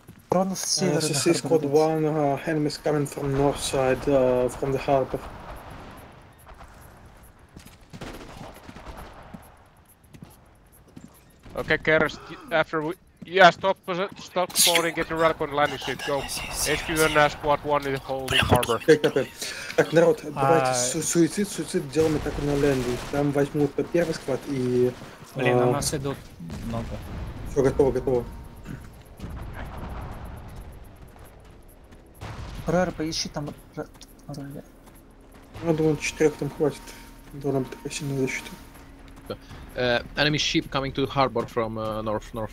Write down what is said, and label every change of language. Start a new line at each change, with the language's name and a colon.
English: CC squad 1, enemies coming from north side, from the harbor. Okay, Keras, after we... Yeah, stop floating, get your rally point landing ship, go. HQ and squad 1 is holding harbor.
Russian: Так, народ, давайте суицид делаем так на лендинг. Там возьмут первый склад и... Блин, у нас идут много. Все, готово, готово. Рара, поищи там ралли. Я думаю, 4 там хватит. Должна быть такая сильная защита.
English: Enemy ship coming to the harbor from north.